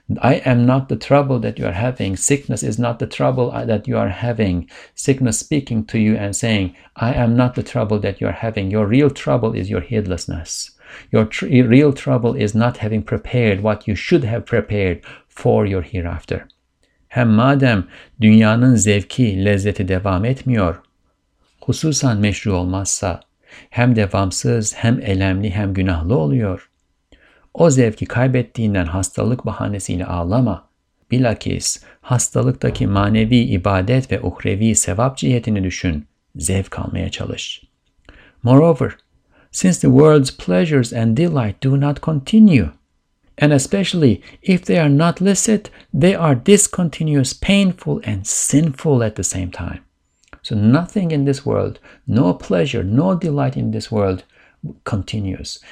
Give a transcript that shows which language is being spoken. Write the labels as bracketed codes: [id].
[en] I am not the trouble that you are having. Sickness is not the trouble that you are having. Sickness speaking to you and saying, I am not the trouble that you are having. Your real trouble is your heedlessness. Your real trouble is not having prepared what you should have prepared for your hereafter. [tr] Hem madem dünyanın zevki, lezzeti devam etmiyor, hususan meşru olmazsa, hem devamsız, hem elemli, hem günahlı oluyor. O zevki kaybettiğinden hastalık bahanesiyle ağlama. Bilakis hastalıktaki manevi ibadet ve uhrevi sevap cihetini düşün, zevk almaya çalış. [en] Moreover, since the world's pleasures and delight do not continue. And especially if they are not licit, they are discontinuous, painful, and sinful at the same time. So nothing in this world, no pleasure, no delight in this world continues.